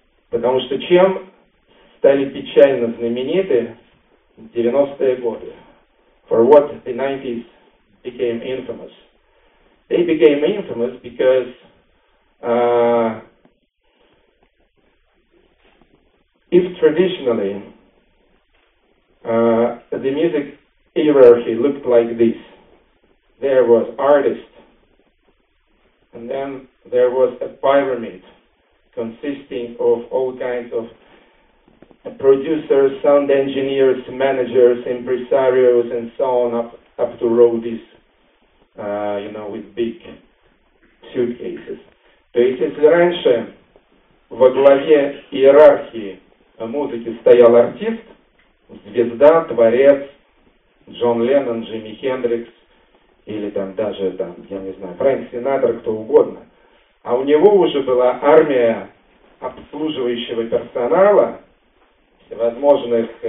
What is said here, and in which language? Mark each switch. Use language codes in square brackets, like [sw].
[ru] Потому что чем стали печально знамениты 90-е годы? [en] For what the 90s became infamous? They became infamous because if traditionally the music hierarchy looked like this, there was artist, and then there was a pyramid consisting of all kinds of producers, sound engineers, managers, impresarios, and so on, up to roadies, you know, with big suitcases. [ru] То есть, если раньше во главе иерархии музыки стоял артист, звезда, творец, Джон Леннон, Джимми Хендрикс, или там даже, там, я не знаю, Фрэнк Синатра, кто угодно, а у него уже была армия обслуживающего персонала, всевозможных